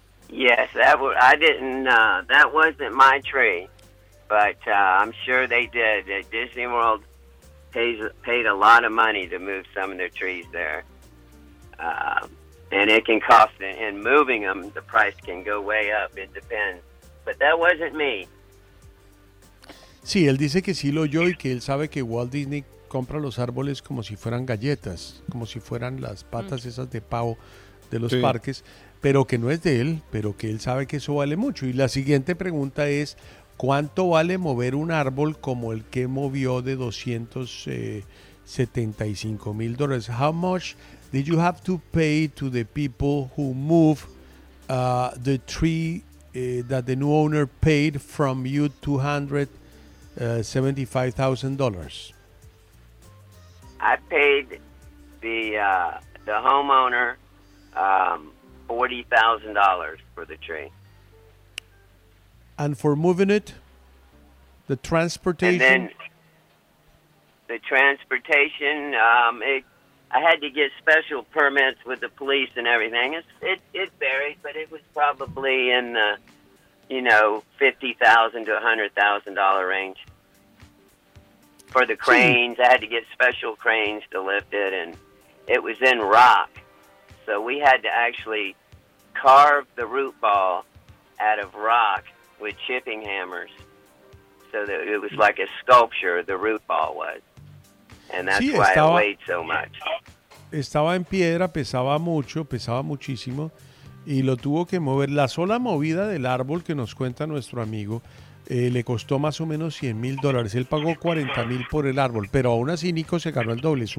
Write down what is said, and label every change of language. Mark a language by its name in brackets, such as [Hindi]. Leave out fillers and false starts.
[English] Yes, that wasn't my tree, but I'm sure they did. Disney World paid a lot of money to move some of their trees there. And it can cost, and moving them, the price can go way up. It depends. But that wasn't me. [Spanish] Sí, él dice que sí lo oyó y que él sabe que Walt Disney compra los árboles como si fueran galletas, como si fueran las patas esas de pavo de los parques. Pero que no es de él, pero que él sabe que eso vale mucho. Y la siguiente pregunta es, ¿cuánto vale mover un árbol como el que movió de 200, $75,000. [English] How much did you have to pay to the people who moved the tree that the new owner paid from you, $275,000? I paid the homeowner $40,000 for the tree. And for moving it, the transportation? And then the transportation, I had to get special permits with the police and everything. It varied, but it was probably in the, you know, $50,000 to $100,000 range. For the cranes, I had to get special cranes to lift it, and it was in rock. So we had to actually carve the root ball out of rock with chipping hammers. So that it was like a sculpture, the root ball was. And that's why it weighed so much. [Spanish] Estaba en piedra, pesaba mucho, pesaba muchísimo, y lo tuvo que mover. La sola movida del árbol que nos cuenta nuestro amigo le costó más o menos $100,000. Él pagó $40,000 por el árbol, pero aún así Nico se ganó el doble.